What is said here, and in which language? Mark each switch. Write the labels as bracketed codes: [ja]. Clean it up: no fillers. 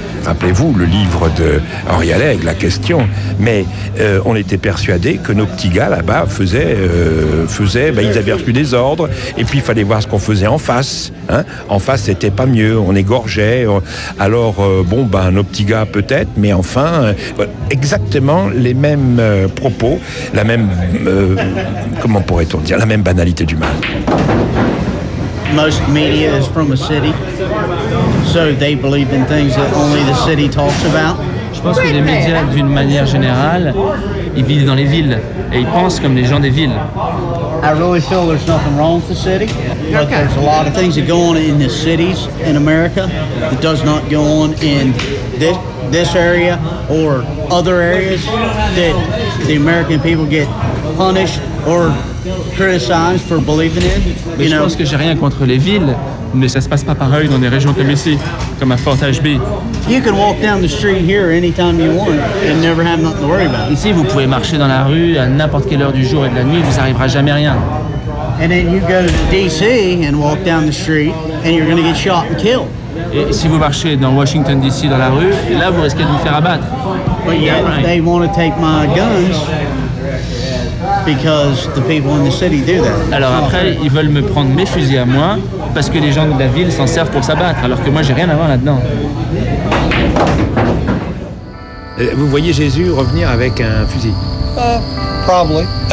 [fr] rappelez-vous, le livre de Henri Alleg, La Question, mais on était persuadé que nos petits gars là-bas ils avaient reçu des ordres, et puis il fallait voir ce qu'on faisait en face. Hein. En face, c'était pas mieux, on égorgeait. Nos petits gars peut-être, mais enfin, exactement les mêmes propos, la même, comment pourrait-on dire, la même banalité du mal. [en] Most media is from a city, so they believe in things that only the city talks about. [fr] Je pense que les médias, d'une manière générale, ils vivent dans les villes et ils pensent comme les gens des villes. [en] I really feel there's nothing wrong with the city, but there's a lot of things that go on in the cities in America that does not go on in this area or other areas that the American people get punished or criticized for believing in. [fr] Mais je pense que j'ai rien contre les villes, mais ça se passe pas pareil dans des régions comme ici, comme à Fort Ashby. [en] You can walk down the street here anytime you want and never have nothing to worry about. [fr] Ici, vous pouvez marcher dans la rue à n'importe quelle heure du jour et de la nuit, vous arrivera jamais rien. [en] And then you go to DC and walk down the street and you're going to get shot and killed. [fr] Et si vous marchez dans Washington DC dans la rue, là vous risquez de vous faire abattre. [en] But yet, they want to take my guns. Because the people in the city do that. [fr] Alors après, ils veulent me prendre mes fusils à moi parce que les gens de la ville s'en servent pour s'abattre, alors que moi, j'ai rien à voir là-dedans. Vous voyez Jésus revenir avec un fusil? [en] Probably.